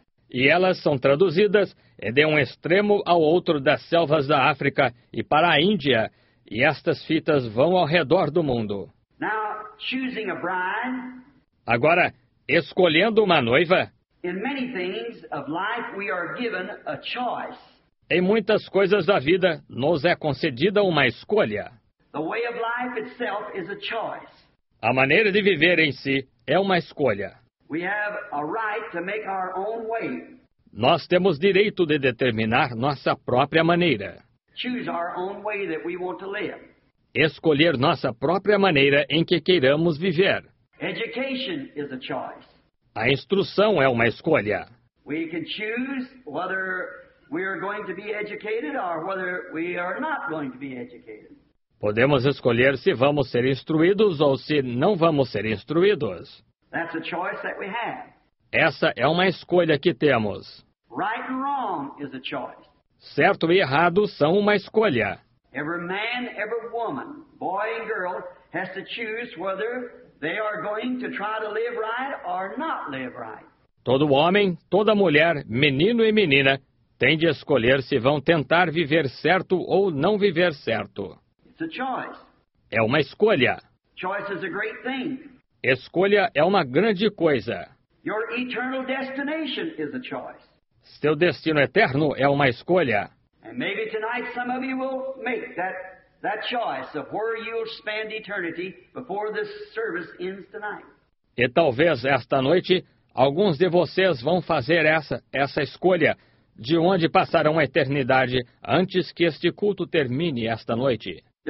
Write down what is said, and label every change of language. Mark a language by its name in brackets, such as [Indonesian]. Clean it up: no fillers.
[Portuguese] E elas são traduzidas de um extremo ao outro das selvas da África e para a Índia. E estas fitas vão ao redor do mundo. [English] Now, choosing a bride, [Portuguese] agora, escolhendo uma noiva. [English] In many things of life, we are given a choice. [Portuguese] Em muitas coisas da vida, nos é concedida uma escolha. [English] The way of life itself is a choice. [Portuguese] A maneira de viver em si é uma escolha. [English] We have a right to make our own way. [Portuguese] Nós temos direito de determinar nossa própria maneira. [English] Choose our own way that we want to live. [Portuguese] Escolher nossa própria maneira em que queiramos viver. [English] Education is a choice. [Portuguese] A instrução é uma escolha. [English] We can choose whether we are going to be educated or whether we are not going to be educated. [Portuguese] Podemos escolher se vamos ser instruídos ou se não vamos ser instruídos. [English] That's a choice that we have. [Portuguese] Essa é uma escolha que temos. [English] Right and wrong is a choice. [Portuguese] Certo e errado são uma escolha. [English] Every man, every woman, boy and girl has to choose whether they are going to try to live right or not live right. [Portuguese] Todo homem, toda mulher, menino e menina, tem de escolher se vão tentar viver certo ou não viver certo. [English] It's a choice. [Portuguese] É uma escolha. [English] Choice is a great thing. [Portuguese] Escolha é uma grande coisa. [English] Your eternal destination is a choice. [Portuguese] Seu destino eterno é uma escolha. [English] And maybe tonight some of you will make that choice of where you'll spend eternity before this service ends tonight. [Portuguese] E talvez esta noite alguns de vocês vão fazer essa escolha de onde passaram a eternidade antes que este culto termine esta noite.